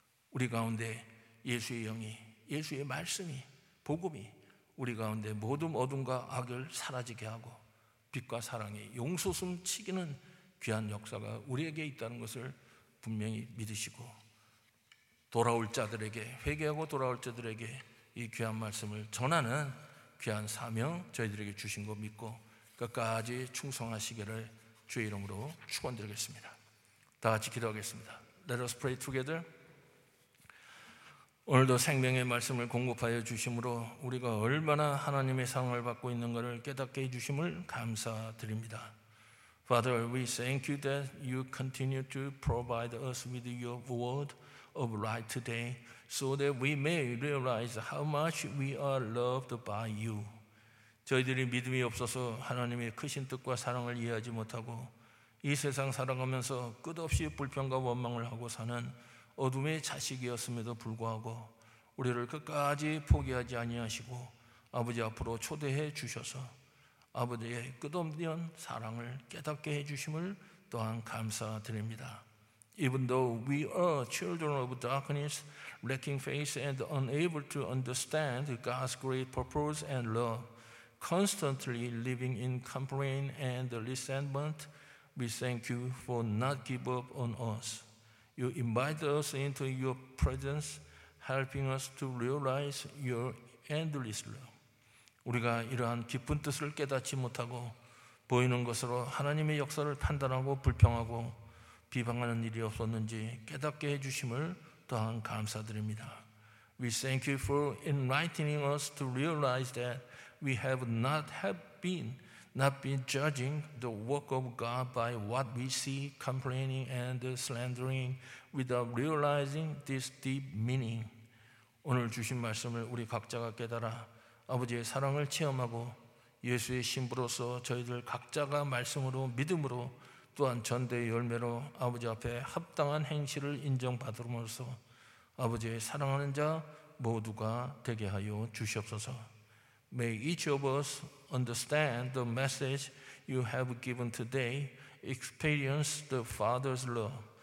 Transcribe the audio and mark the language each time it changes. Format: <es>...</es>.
<ko>우리 가운데 예수의 영이, 예수의 말씀이, 복음이 우리 가운데 모든 어둠과 악을 사라지게 하고 빛과 사랑이 용수 숨치기는 귀한 역사가 우리에게 있다는 것을 분명히 믿으시고 돌아올 자들에게, 회개하고 돌아올 자들에게 이 귀한 말씀을 전하는 귀한 사명 저희들에게 주신 거 믿고 끝까지 충성하시기를 주의 이름으로 축원드리겠습니다. 다 같이 기도하겠습니다.</ko> <en>Let us pray together.</en> <ko>오늘도 생명의 말씀을 공급하여 주심으로 우리가 얼마나 하나님의 사랑을 받고 있는 것을 깨닫게 해 주심을 감사드립니다.</ko> <en>Father, we thank you that you continue to provide us with your word of light today, so that we may realize how much we are loved by you.</en> <ko>저희들이 믿음이 없어서 하나님의 크신 뜻과 사랑을 이해하지 못하고 이 세상 살아가면서 끝없이 불평과 원망을 하고 사는 어둠의 자식이었음에도 불구하고 우리를 끝까지 포기하지 아니하시고 아버지 앞으로 초대해 주셔서 아버지의 끝없는 사랑을 깨닫게 해 주심을 또한 감사드립니다.</ko> <en>Even though we are children of darkness, lacking faith and unable to understand God's great purpose and love, constantly living in complaint and resentment, we thank you for not give up on us. You invite us into your presence, helping us to realize your endless love.</en> <ko>우리가 이러한 깊은 뜻을 깨닫지 못하고 보이는 것으로 하나님의 역사를 판단하고 불평하고 비방하는 일이 없었는지 깨닫게 해 주심을 또한 감사드립니다.</ko> <en>We thank you for enlightening us to realize that we have not been judging the work of God by what we see, complaining and slandering without realizing this deep meaning.</en> <ko>오늘 주신 말씀을 우리 각자가 깨달아 아버지의 사랑을 체험하고 예수의 신부로서 저희들 각자가 말씀으로 믿음으로 또한 전대의 열매로 아버지 앞에 합당한 행실을 인정받으므로써 아버지의 사랑하는 자 모두가 되게 하여 주시옵소서.</ko> <en>May each of us understand the message you have given today, experience the Father's love.</en>